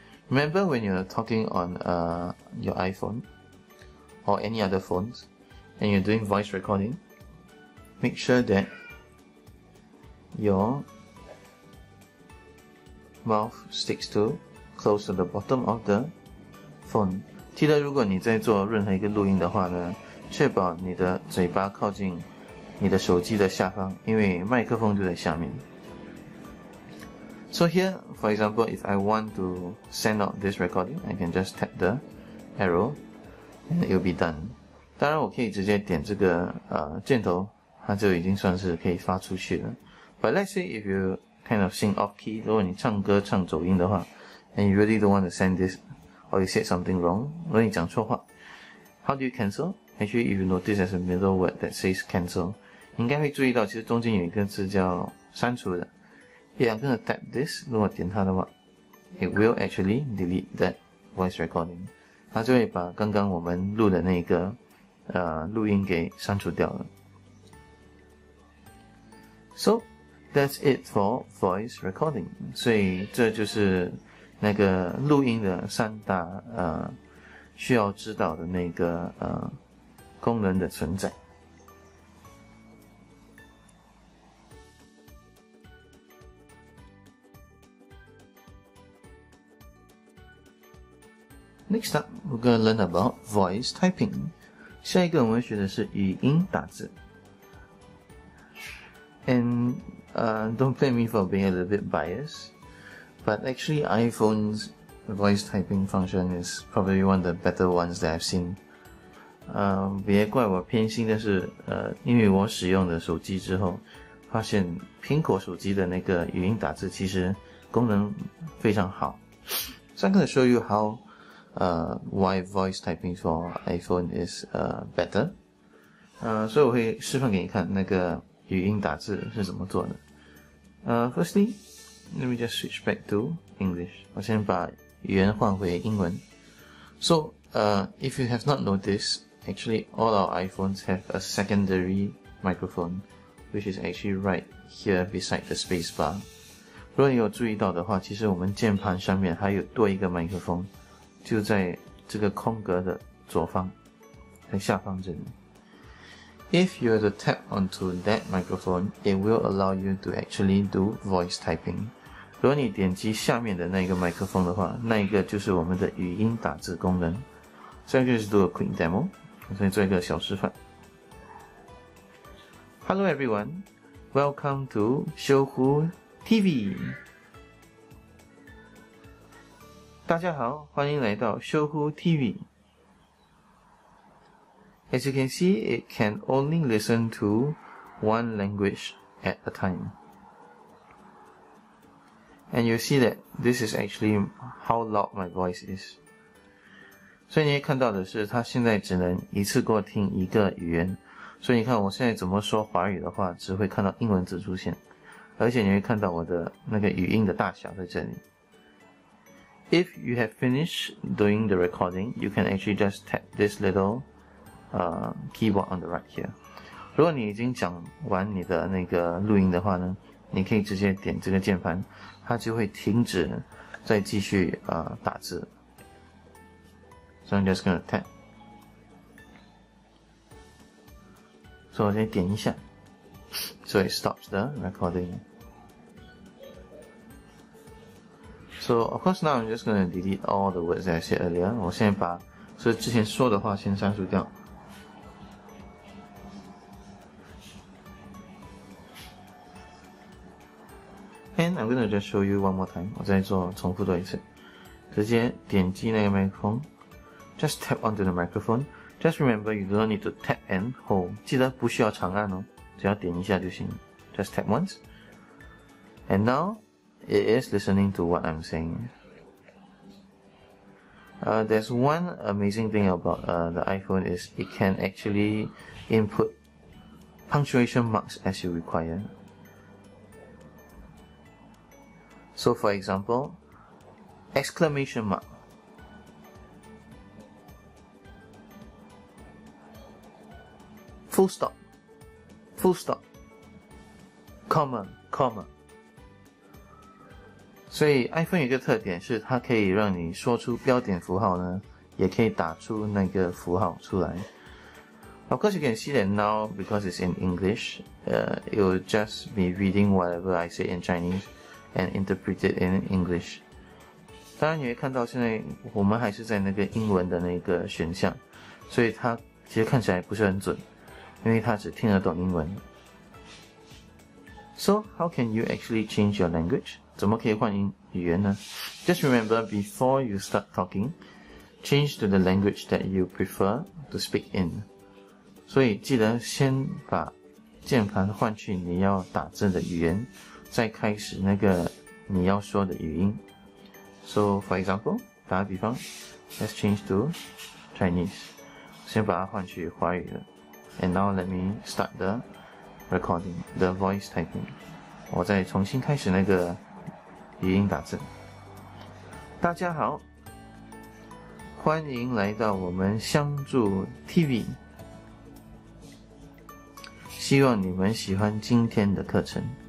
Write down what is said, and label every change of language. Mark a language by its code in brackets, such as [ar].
[en] Remember when you're talking on your iPhone or any other phones and you're doing voice recording, make sure that your mouth sticks to close to the bottom of the phone. [zh] 记得如果你在做任何一个录音的话呢，确保你的嘴巴靠近你的手机的下方，因为麦克风就在下面。 [en] So here, for example, if I want to send out this recording, I can just tap the arrow and it will be done. [zh] 当然我可以直接点这个箭头，它就已经算是可以发出去了。 [en] But let's say if you kind of sing off key, [zh] 如果你唱歌唱走音的话 [en] and you really don't want to send this or you said something wrong, [zh] 如果你讲错话 [en] how do you cancel? Actually, if you notice there's a middle word that says cancel, [zh] 应该会注意到其实中间有一个字叫删除的。 [en] Yeah, I'm going to tap this, [zh] 如果点它的话 [en] it will actually delete that voice recording. [zh] 它就会把刚刚我们录的那个录音给删除掉了。 [en] So, that's it for voice recording. [zh] 所以这就是那个录音的三大需要知道的那个功能的存在。 [en] Next up, we're going to learn about voice typing. [zh] 下一个我们学的是语音打字。 [en] And don't blame me for being a little bit biased, but actually iPhone's voice typing function is probably one of the better ones that I've seen. [zh] 别怪我偏心，但是因为我使用的手机之后，发现苹果手机的那个语音打字其实功能非常好。 [en] So I'm going to show you how why voice typing for iPhone is better. [zh] 所以我会示范给你看那个语音打字是怎么做的。 [en] Firstly, let me just switch back to English. [zh] 我先把语言换回英文。 [en] So, if you have not noticed, actually all our iPhones have a secondary microphone, which is actually right here beside the spacebar. [zh] 如果你有注意到的话，其实我们键盘上面还有多一个麦克风，就在这个空格的左方，在下方这里。 [en] If you were to tap onto that microphone, it will allow you to actually do voice typing. [zh] 如果你点击下面的那个麦克风的话，那一个就是我们的语音打字功能。 [en] So I'll just do a quick demo. [zh] 我先做一个小示范。 [en] Hello everyone, welcome to Xiuhu TV. [zh] 大家好，欢迎来到 Xiuhu TV. [en] As you can see, it can only listen to one language at a time. And you'll see that this is actually how loud my voice is. [zh] 所以你看到的是他现在只能一次过听一个语言，所以你看我现在怎么说华语的话只会看到英文字出现，而且你会看到我的那个语音的大小在这里。 [en] If you have finished doing the recording, you can actually just tap this little、keyboard on the right here. [zh] 如果你已经讲完你的那个录音的话呢，你可以直接点这个键盘，它就会停止再继续、打字。 [en] So I'm just going to tap. So I'll just [zh] 点一下。 [en] So it stops the recording. So of course now I'm just going to delete all the words that I said earlier. [zh] 我现在把所以之前说的话先删除掉。 [en] And I'm going to just show you one more time. [zh] 我再做重复多一次。直接点击那个麦克风。 [en] Just tap onto the microphone. Just remember, you do not need to tap and hold. [zh] 记得不需要长按哦，只要点一下就行。 [en] Just tap once. And now, it is listening to what I'm saying. There's one amazing thing about the iPhone is it can actually input punctuation marks as you require. So for example, exclamation mark. Full stop, comma. [zh] 所以 iPhone 有一个特点是它可以让你说出标点符号呢，也可以打出那个符号出来。 [en] Of course you can see that now because it's in English, it will just be reading whatever I say in Chinese and interpret it in English. [zh] 当然你会看到现在我们还是在那个英文的那个选项，所以它其实看起来不是很准。因为他只听得懂英文。 [en] So, how can you actually change your language? [zh] 怎么可以换语言呢？ [en] Just remember, before you start talking, change to the language that you prefer to speak in. [zh] 所以记得先把键盘换去你要打字的语言，再开始那个你要说的语音。 [en] So, for example, [zh] 打个比方， [en] let's change to Chinese. [zh] 先把它换去华语了。 [en] And now let me start the recording, the voice typing. [zh] 我再重新开始那个语音打字。大家好，欢迎来到我们相助 TV。希望你们喜欢今天的课程。